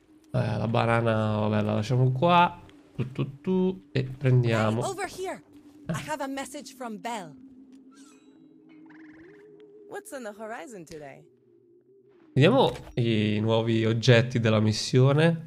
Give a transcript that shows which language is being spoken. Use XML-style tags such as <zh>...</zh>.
<it>La banana, vabbè, la lasciamo qua. Tu. E prendiamo.</it> <en>Hey, over here. I have a message from Belle. What's on the horizon today?</en> <it>Vediamo i nuovi oggetti della missione.</it>